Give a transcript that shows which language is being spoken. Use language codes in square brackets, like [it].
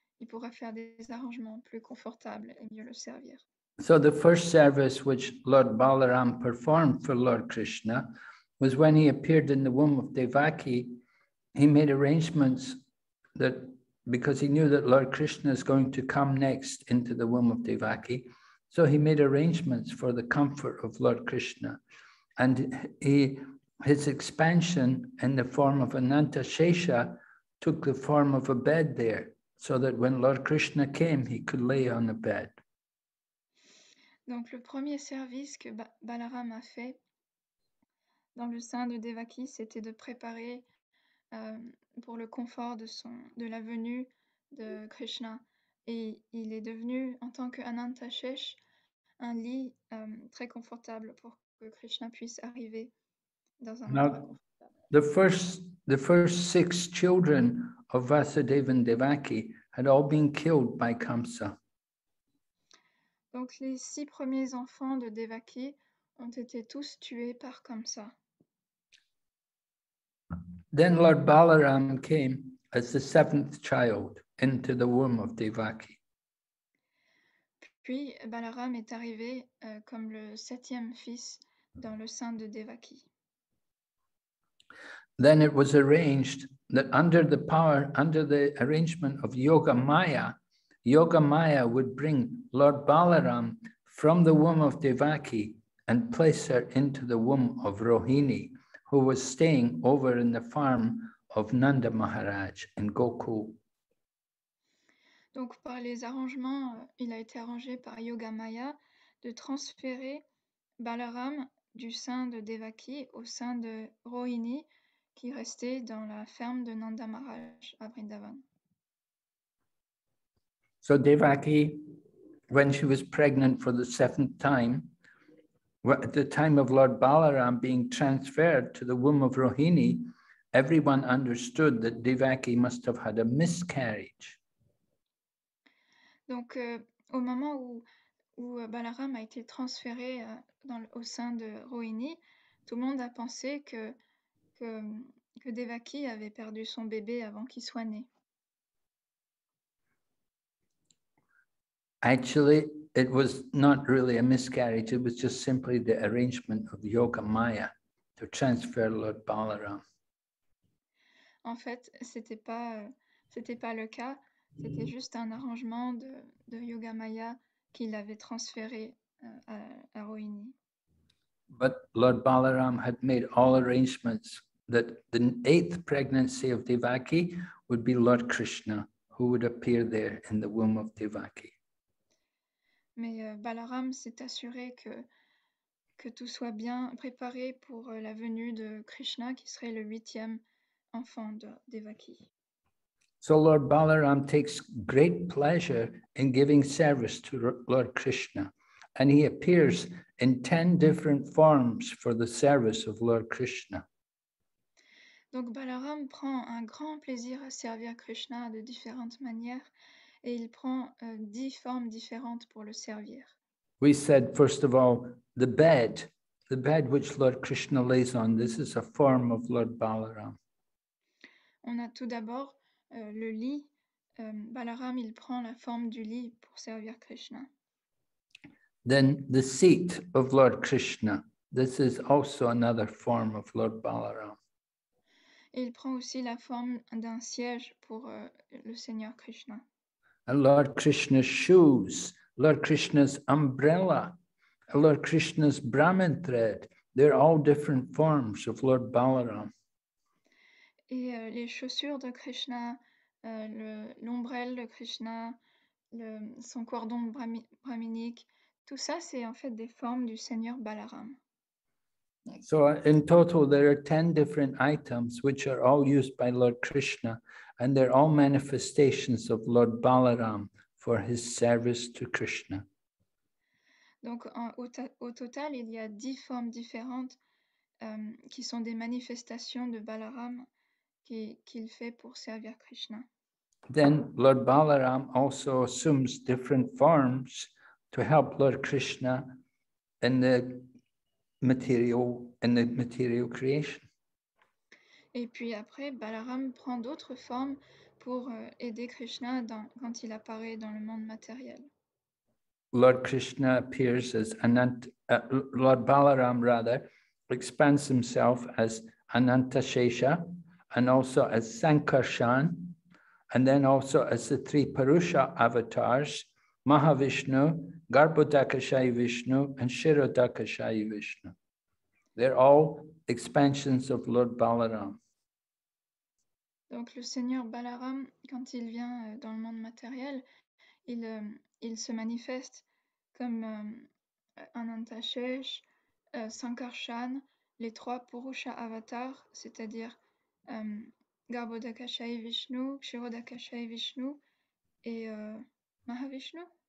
[fr] Il pourrait faire des arrangements plus confortables et mieux le servir. [en] So the first service which Lord Balaram performed for Lord Krishna was when he appeared in the womb of Devaki. He made arrangements that because he knew that Lord Krishna is going to come next into the womb of Devaki, so he made arrangements for the comfort of Lord Krishna. And his expansion in the form of Ananta Shesha took the form of a bed there, so that when Lord Krishna came, he could lay on the bed. [fr] Donc le premier service que Balaram a fait dans le sein de Devaki, c'était de préparer pour le confort de la venue de Krishna. Et il est devenu, en tant qu'Anantashesh, un lit très confortable pour que Krishna puisse arriver dans un endroit confortable. [en] The first six children of Vasudeva and Devaki had all been killed by Kamsa. [fr] Donc les six premiers enfants de Devaki ont été tous tués par Kamsa. [en] Then Lord Balaram came as the seventh child into the womb of Devaki. [fr] Puis Balaram est arrivé comme le septième fils dans le sein de Devaki. [en] Then it was arranged that under the arrangement of Yoga Maya, Yoga Maya would bring Lord Balaram from the womb of Devaki and place her into the womb of Rohini, who was staying over in the farm of Nanda Maharaj in Gokul. [fr] Donc par les arrangements, il a été arrangé par Yoga Maya de transférer Balaram du sein de Devaki au sein de Rohini, qui restait dans la ferme de Nanda Maharaj à Vrindavan. [en] So Devaki, when she was pregnant for the seventh time, at the time of Lord Balaram being transferred to the womb of Rohini, everyone understood that Devaki must have had a miscarriage. [fr] Donc, au moment où Balaram a été transféré au sein de Rohini, tout le monde a pensé que Devaki avait perdu son bébé avant qu'il soit né. [en] Actually, it was not really a miscarriage, it was just simply the arrangement of Yoga Maya to transfer Lord Balaram. [fr] En fait, c'était pas le cas, c'était juste un arrangement de Yoga Maya qu'il avait transféré à Rohini. [en] But Lord Balaram had made all arrangements that the eighth pregnancy of Devaki would be Lord Krishna, who would appear there in the womb of Devaki. [fr] Mais Balaram s'est assuré que tout soit bien préparé pour la venue de Krishna, qui serait le huitième enfant de Devaki. [en] So Lord Balaram takes great pleasure in giving service to Lord Krishna, and he appears in 10 different forms for the service of Lord Krishna. [fr] Donc Balaram prend un grand plaisir à servir Krishna de différentes manières et il prend 10 formes différentes pour le servir. [en] We said first of all the bed which Lord Krishna lays on, this is a form of Lord Balaram. [fr] On a tout d'abord le lit. Balaram, il prend la forme du lit pour servir Krishna. [en] Then the seat of Lord Krishna, this is also another form of Lord Balaram. [fr] Et il prend aussi la forme d'un siège pour le Seigneur Krishna. [en] And Lord Krishna's shoes, Lord Krishna's umbrella, Lord Krishna's Brahmin thread, they're all different forms of Lord Balaram. [fr] Et les chaussures de Krishna, l'ombrelle de Krishna, son cordon brahminique, tout ça, c'est en fait des formes du Seigneur Balaram. [en] So in total, there are 10 different items which are all used by Lord Krishna, and they're all manifestations of Lord Balaram for his service to Krishna. [fr] Donc au total, il y a 10 formes différentes qui sont des manifestations de Balaram qu'il fait pour servir Krishna. [en] Then Lord Balaram also assumes different forms to help Lord Krishna in the material creation. [fr] Et puis après, Balaram prend d'autres formes pour aider Krishna quand il apparaît dans le monde matériel. [en] Lord Krishna appears as Lord Balaram rather expands himself as Anantashesha and also as Sankarshan and then also as the three Purusha avatars, Mahavishnu, Garbhodakashayi Vishnu and Shirodakashayi Vishnu. They're all expansions of Lord Balaram. [fr] Donc le Seigneur Balaram, quand il vient dans le monde matériel, il se manifeste comme Anantashesh, Sankarshan, les trois Purusha avatars, c'est-à-dire Garbhodakashayi Vishnu, Kshirodakashayi Vishnu et Mahavishnu.